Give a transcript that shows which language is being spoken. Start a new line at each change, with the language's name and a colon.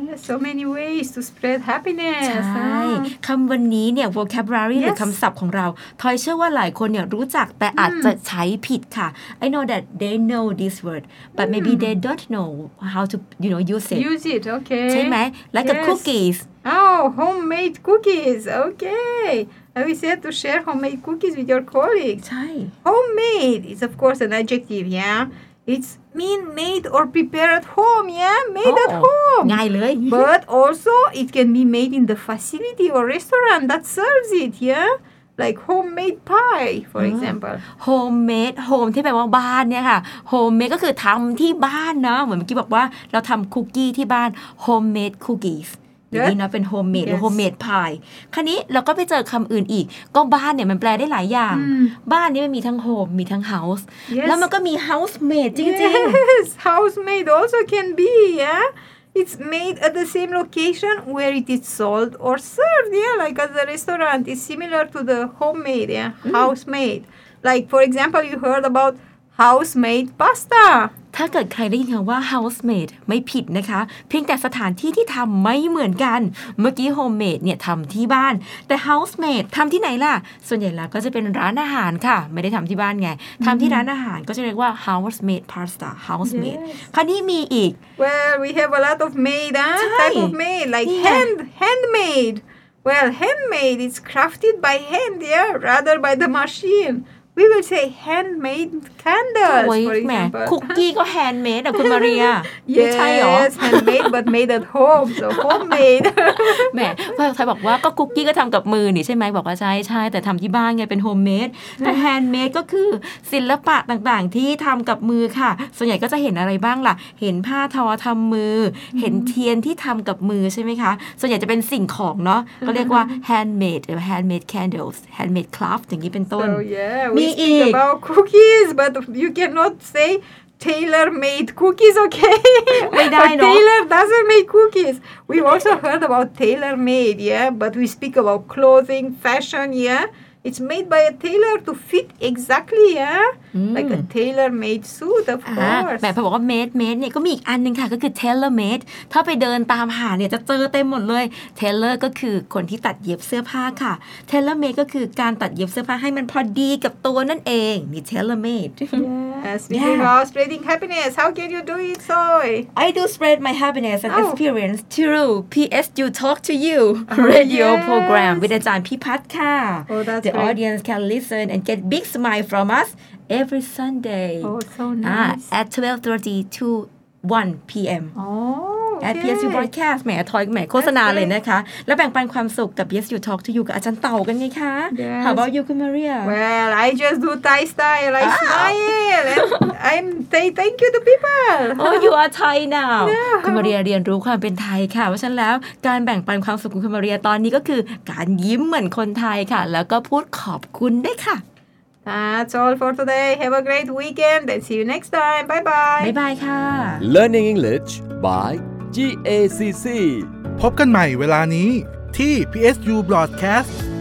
English: so manyways to spread happiness
Thai: ใช่คำวันนี้เนี่ย vocabulary yes. หรือคำศัพท์ของเราทอยเชื่อว่าหลายคนเนี่ยรู้จักแต่อาจจะใช้ผิดค่ะ
English: I know that they know this word but maybe they don't know how to you know use it okay
Thai: ใช่ไหม
English: like yes. cookies oh homemade cookies okay we said to share homemade cookies with your colleagues
Thai: ใช่
English: homemade is of course an adjective yeah it'smean made or prepared at home yeah made at home
Thai: ง่ายเลย
English: but also it can be made in the facility or restaurant that serves it yeah like homemade pie for example
Thai: homemade home ที่แปลว่าบ้านเนี่ยค่ะ homemade ก็คือทำที่บ้านเนาะเหมือนเมื่อกี้บอกว่าเราทำคุกกี้ที่บ้าน homemade cookiesนี่นะเป็น homemade yes. หรือ homemade pie คราวนี้เราก็ไปเจอคำอื่นอีกก็บ้านเนี่ยมันแปลได้หลายอย่าง บ้านนี้มันมีทั้ง home มีทั้ง house
English: yes.
Thai: แล้วมันก็มี housemade จริงๆ
English: yes. housemade also can be yeah it's made at the same location where it is sold or served yeah like at the restaurant is similar to the homemade yeah housemade like for example you heard about housemade pasta
Thai: ถ้าเกิดใครได้ยินคำว่า housemade ไม่ผิดนะคะเพียงแต่สถานที่ที่ทำไม่เหมือนกันเมื่อกี้ homemade เนี่ยทำที่บ้านแต่ housemade ทำที่ไหนล่ะส่วนใหญ่แล้วก็จะเป็นร้านอาหารค่ะไม่ได้ทำที่บ้านไงทำที่ร้านอาหารก็จะเรียกว่า housemade pasta housemade คราวนี้มีอีก
English: well we have a lot of made type of made like handmade well handmade is crafted by hand yeah rather by the machineWe will say handmade candles, for example.
Thai: Cookie ก็ handmade อ่ะคุณมาเรีย
English: Yes, handmade but made at home, so homemade.
Thai: แหมใครบอกว่าก็คุกกี้ก็ทำกับมือนี่ใช่ไหมบอกว่าใช่ใช่แต่ทำที่บ้านไงเป็น homemade. แต่ handmade ก็คือศิลปะต่างๆที่ทำกับมือค่ะส่วนใหญ่ก็จะเห็นอะไรบ้างล่ะเห็นผ้าทอทำมือเห็นเทียนที่ทำกับมือใช่ไหมคะส่วนใหญ่จะเป็นสิ่งของเนาะก็เรียกว่า handmade หรือ handmade candles, handmade craft อย่างนี้เป็นต้น
English: Speak about cookies, but you cannot say tailor-made cookies, okay?
Thai: ไม่ได้เนาะ
English: Tailor doesn't make cookies. We also heard about tailor-made, yeah? But we speak about clothing, fashion, yeah? It's made by a tailor to fit exactly, yeah? Like a tailor-made suit, of course.
Thai: แม่พอบอกว่า made เนี่ยก็มีอีกอันนึงค่ะก็คือ tailor-made. ถ้าไปเดินตามหาเนี่ยจะเจอเต็มหมดเลย Tailor ก็คือคนที่ตัดเย็บเสื้อผ้าค่ะ Tailor-made ก็คือการตัดเย็บเสื้อผ้าให้มันพอดีกับตัวนั่นเองนี่ tailor-made.
English: Yes, speaking about spreading happiness, how can you do it, Soy? I do spread my happiness and experience through PSU Talk to You radio program with อาจารย์พิพัฒน์ค่ะ The audience can listen and get big smile from us every Sunday. Oh, so nice. At 12:30 to 1 p.m. Oh, at PSU Broadcast.
Thai: แหมทอยแหมโฆษณาเลยนะคะแล้วแบ่งปันความสุขกับ PSU Talk to You กับอาจารย์เต่ากันไงคะ
English: How about you, Maria? Well, I just do Thai style. I smile. I'm say thank you to people. Oh, you are Thai now. Yeah.
Thai: Maria เรียนรู้ความเป็นไทยค่ะเพราะฉะนั้นแล้วการแบ่งปันความสุขของ Maria ตอนนี้ก็คือการยิ้มเหมือนคนไทยค่ะแล้วก็พูดขอบคุณด้วยค่ะ
English: That's all for today. Have a great weekend and see you next time. Bye-bye. Bye-bye, ค่ะ Learning English by GACC.
Thai: พบกันใหม่เวลานี้ที่ PSU Broadcast.